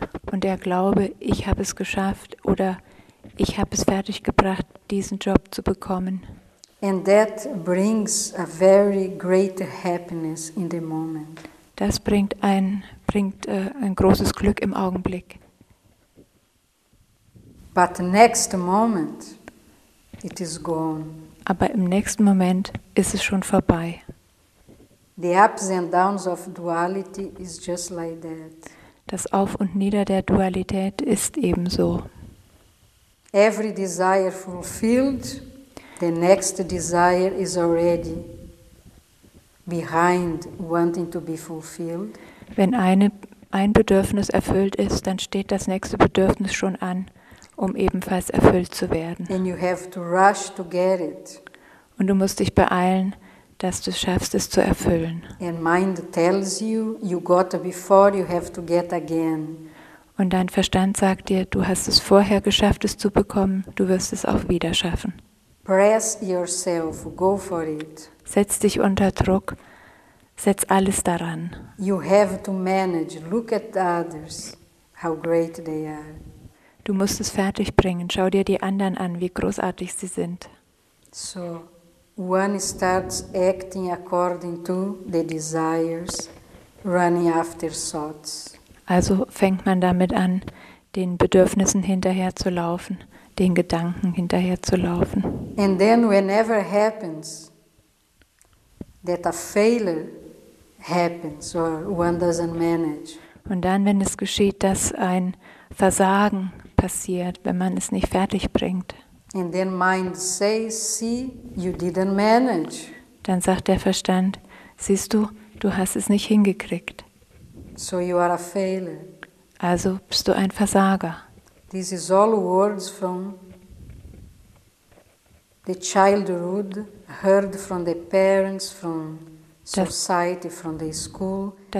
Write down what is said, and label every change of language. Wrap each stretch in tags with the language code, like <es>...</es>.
<de>Und der Glaube, ich habe es geschafft oder ich habe es fertiggebracht, diesen Job zu bekommen.</de> <en>And that brings a very great happiness in the moment.</en> <de>Das bringt ein großes Glück im Augenblick.</de> <en>But next moment, it is gone.</en> <de>Aber im nächsten Moment ist es schon vorbei.</de> <en>The ups and downs of duality is just like that.</en> <de>Das Auf und Nieder der Dualität ist ebenso.</de> <en>Every desire fulfilled, the next desire is already behind wanting to be fulfilled.</en> <de>Wenn ein Bedürfnis erfüllt ist, dann steht das nächste Bedürfnis schon an, um ebenfalls erfüllt zu werden.</de> <en>And you have to rush to get it.</en> <de>Und du musst dich beeilen, dass du es schaffst, es zu erfüllen.</de> <en>And mind tells you, you got before, you have to get again.</en> <de>Und dein Verstand sagt dir, du hast es vorher geschafft, es zu bekommen, du wirst es auch wieder schaffen.</de> <en>Press yourself, go for it.</en> <de>Setz dich unter Druck, setz alles daran.</de> <en>You have to manage, look at others, how great they are.</en> <de>Du musst es fertigbringen. Schau dir die anderen an, wie großartig sie sind.</de> <en>So, one starts acting according to the desires, running after thoughts.</en> <de>Also fängt man damit an, den Bedürfnissen hinterherzulaufen, den Gedanken hinterherzulaufen.</de> <en>And then whenever happens that a failure happens or one doesn't manage.</en> <de>Und dann, wenn es geschieht, dass ein Versagen passiert, wenn man es nicht fertig bringt.</de> <en>And then mind says, see, you didn't manage.</en> <de>Dann sagt der Verstand, siehst du, du hast es nicht hingekriegt.</de> <en>So you are a failure.</en> <de>Also bist du ein Versager.</de> <en>This is all words from the childhood heard from the parents, from society, from the school.</en>